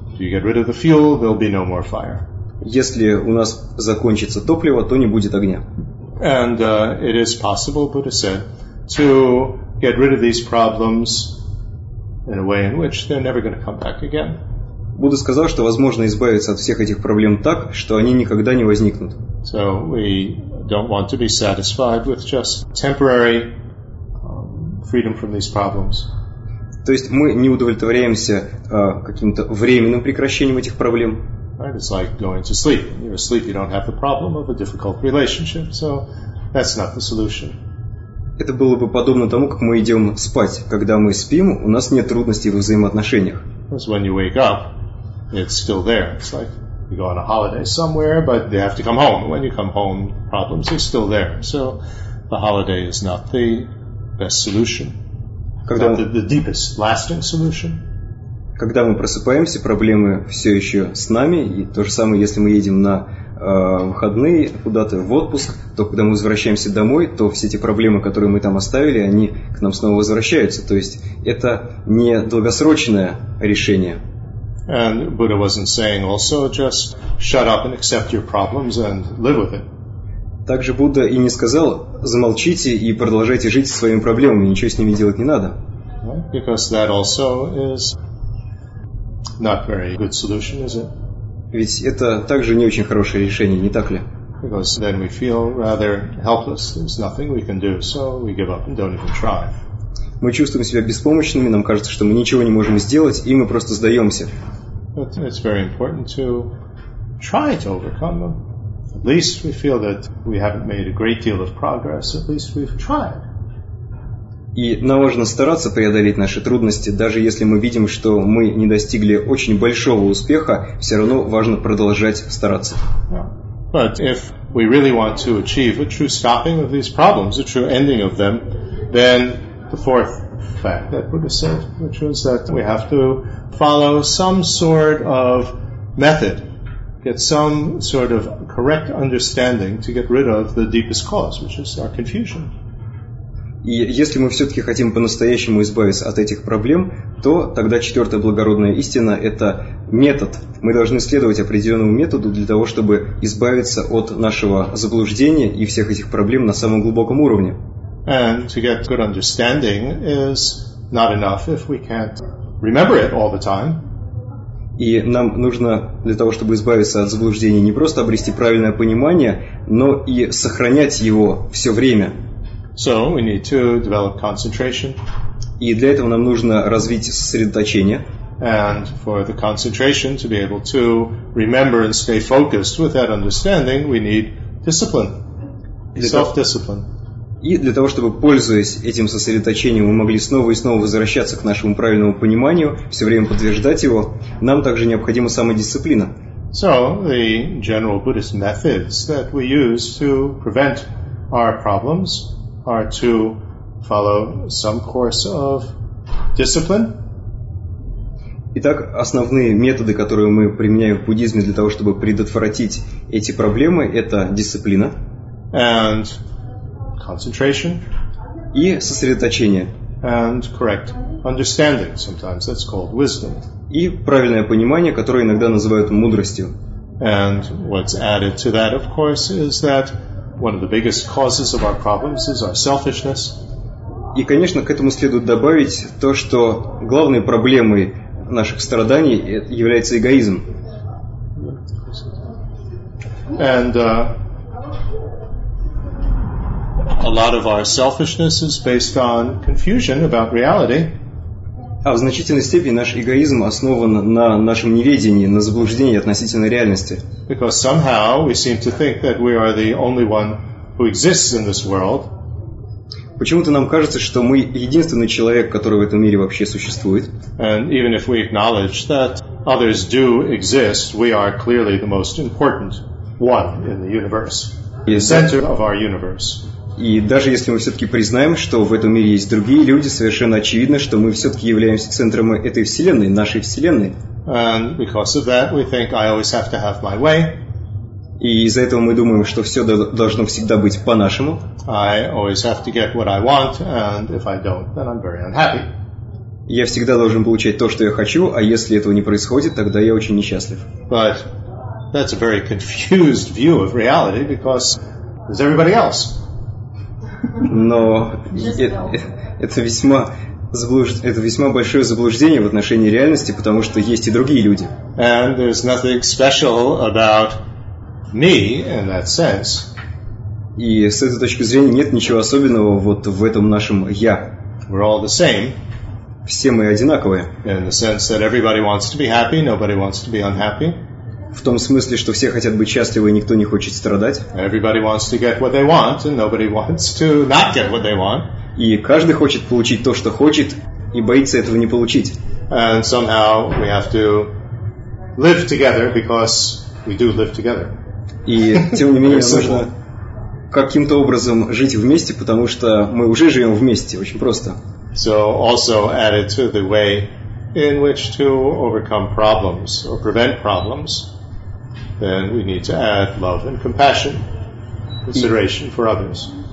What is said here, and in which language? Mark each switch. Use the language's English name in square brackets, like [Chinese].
[English] If you get rid of the fuel, there'll be no more fire. [Russian] Если у нас закончится топливо, то не будет огня. [English] And it is possible, Buddha said, to get rid of these problems in a way in which they're never going to come back again. [Russian] Будда сказал, что возможно избавиться от всех этих проблем так, что они никогда не возникнут. [English] So we don't want to be satisfied with just temporary freedom from these problems. [Russian] То есть мы не удовлетворяемся каким-то временным прекращением этих проблем. [English] Right, it's like going to sleep. When you're asleep, you don't have the problem of a difficult relationship. So that's not the solution. [Russian] это было бы подобно тому, как мы идем спать. Когда мы спим, у нас нет трудностей во взаимоотношениях. [English] Because when you wake up, it's still there. It's like you go on a holiday somewhere, but they have to come home. When you come home, problems are still there. So the holiday is not the best solution. [Russian] Когда [English] not the deepest, lasting solution. [Russian] Когда мы просыпаемся, проблемы все еще с нами. И то же самое, если мы едем на выходные куда-то в отпуск, то когда мы возвращаемся домой, то все эти проблемы, которые мы там оставили, они к нам снова возвращаются. То есть это не долгосрочное решение. [English] And Buddha wasn't saying also just shut up and accept your problems and live with it. [Russian] Также Будда и не сказал: замолчите и продолжайте жить со своими проблемами, ничего с ними делать не надо. [English] Because that also is not very good solution, is it? [Russian] Ведь это также не очень хорошее решение, не так ли? [English] Because then we feel rather helpless. There's nothing we can do, so we give up and don't even try. [Russian] Мы чувствуем себя беспомощными, нам кажется, что мы ничего не можем сделать, и мы просто сдаемся. [English] But it's very important to try to overcome them. At least we feel that we haven't made a great deal of progress. At least we've tried. [Russian] И нам важно стараться преодолеть наши трудности, даже если мы видим, что мы не достигли очень большого успеха, все равно важно продолжать стараться. [English] But if we really want to achieve a true stopping of these problems, a true ending of them, then the fourth fact that Buddha said, which was that we have to follow some sort of method, get some sort of correct understanding to get rid of the deepest cause, which is our confusion. [Russian] И если мы все-таки хотим по-настоящему избавиться от этих проблем, то тогда четвертая благородная истина – это метод. Мы должны следовать определенному методу для того, чтобы избавиться от нашего заблуждения и всех этих проблем на самом глубоком уровне. [English] And to get good understanding is not enough if we can't remember it all the time. [Russian] И нам нужно для того, чтобы избавиться от заблуждений, не просто обрести правильное понимание, но и сохранять его все время. [English] So we need to develop concentration. [Russian] И для этого нам нужно развить сосредоточение. [English] And for the concentration to be able to remember and stay focused with that understanding, we need discipline. Self-discipline. [Russian] И для того, чтобы, пользуясь этим сосредоточением, мы могли снова и снова возвращаться к нашему правильному пониманию, все время подтверждать его, нам также необходима самодисциплина. [English] So, the general Buddhist methods that we use to prevent our problems are to follow some course of discipline. [Russian] Итак, основные методы, которые мы применяем в буддизме для того, чтобы предотвратить эти проблемы, это дисциплина. [English] And concentration. [Russian] И сосредоточение. [English] And correct understanding. Sometimes that's called wisdom. [Russian] И правильное понимание, которое иногда называют мудростью. [English] And what's added to that, of course, is that one of the biggest causes of our problems is our selfishness. [Russian] И, конечно, к этому следует добавить то, что главной проблемой наших страданий является эгоизм. [English] And a lot of our selfishness is based on confusion about reality. [Russian] А в значительной степени наш эгоизм основан на нашем неведении, на заблуждении относительно реальности. [English] Because somehow we seem to think that we are the only one who exists in this world. [Russian] Почему-то нам кажется, что мы единственный человек, который в этом мире вообще существует. [English] And even if we acknowledge that others do exist, we are clearly the most important one in the universe. In the center of our universe. [Russian] И даже если мы все-таки признаем, что в этом мире есть другие люди, совершенно очевидно, что мы все-таки являемся центром этой вселенной, нашей вселенной. [English] And because of that, we think I always have to have my way. [Russian] И из-за этого мы думаем, что все должно всегда быть по-нашему. [English] I always have to get what I want, and if I don't, then I'm very unhappy. [Russian] Я всегда должен получать то, что я хочу, а если этого не происходит, тогда я очень несчастлив. [English] But that's a very confused view of reality, because there's everybody else. [Russian] Но это весьма большое заблуждение в отношении реальности, потому что есть и другие люди. [English] And there's nothing special about me in that sense. [Russian] И с этой точки зрения нет ничего особенного вот в этом нашем «я». [English] We're all the same. [Russian] Все мы одинаковые. [English] In the sense that everybody wants to be happy, nobody wants to be unhappy. [Russian] В том смысле, что все хотят быть счастливы, и никто не хочет страдать. [English] Everybody wants to get what they want, and nobody wants to not get what they want. [Russian] И каждый хочет получить то, что хочет, и боится этого не получить. [English] And somehow we have to live together because we do live together. [Russian] И тем не менее нужно каким-то образом жить вместе, потому что мы уже живем вместе, очень просто. [English] So also added to the way in which to overcome problems or prevent problems, then we need to add love and compassion, consideration for others.